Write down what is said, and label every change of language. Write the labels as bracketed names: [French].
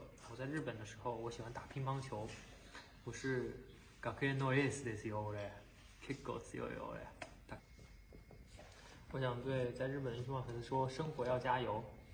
[Chinese] 我在日本的时候，我喜欢打乒乓球。我是 [Japanese] 学院のエースですよ俺。結構強いよ俺。 [Chinese] 我想对在日本的一群粉丝说，生活要加油。